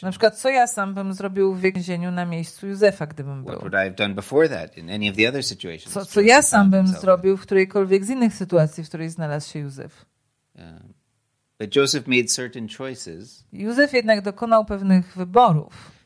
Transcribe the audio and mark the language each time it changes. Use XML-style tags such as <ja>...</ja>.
<pl>Na przykład, co ja sam bym zrobił w więzieniu na miejscu Józefa, gdybym był?</pl> <en>What would I have done before that in any of the other situations?</en> <pl>Co ja sam bym zrobił w którejkolwiek z innych sytuacji, w której znalazł się Józef?</pl> <en>But Joseph made certain choices.</en> <pl>Józef jednak dokonał pewnych wyborów.</pl>